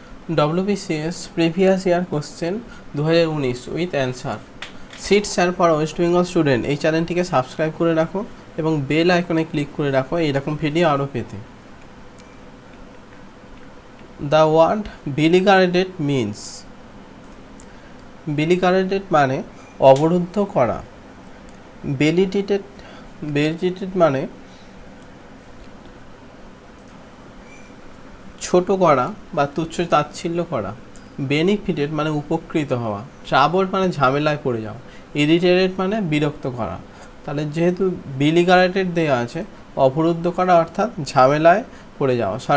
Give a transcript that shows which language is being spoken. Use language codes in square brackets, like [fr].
[en] WBCS previous year question 2019 with answer. Seats are for West Bengal student. [bn] এই চ্যানেলটিকে subscribe করে রাখো এবং বেল আইকনে ক্লিক করে রাখো এইরকম ভিডিও আরো পেতে. [en] The word beligerated means beligerated [bn] মানে অবরুদ্ধ করা. Belligerated মানে ছোট করা বা তুচ্ছ তাচ্ছিল্য করা. বেনিফিটেড মানে উপকৃত হওয়া. ট্রাবল মানে ঝামেলায় পড়ে যাওয়া. ইরিটেটেড মানে বিরক্ত করা. তাহলে যেহেতু বিলিগারেটেড দেওয়া আছে অবরুদ্ধ করা অর্থাৎ ঝামেলায় পড়ে যাওয়া.